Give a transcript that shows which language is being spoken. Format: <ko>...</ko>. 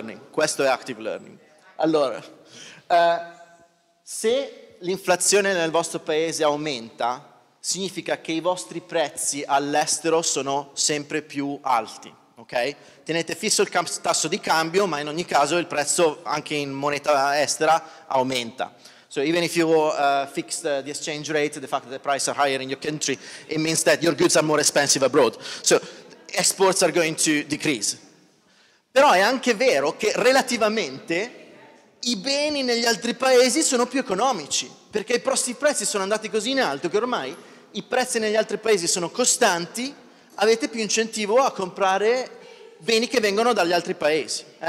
<it>Questo è active learning. Allora, se l'inflazione nel vostro paese aumenta, significa che i vostri prezzi all'estero sono sempre più alti, ok? Tenete fisso il tasso di cambio, ma in ogni caso il prezzo anche in moneta estera aumenta.</it> <en>So even if you fix the exchange rate, the fact that the price are higher in your country, it means that your goods are more expensive abroad. So exports are going to decrease.</en> <it>Però è anche vero che relativamente i beni negli altri paesi sono più economici, perché i prezzi sono andati così in alto che ormai i prezzi negli altri paesi sono costanti, avete più incentivo a comprare beni che vengono dagli altri paesi.</it>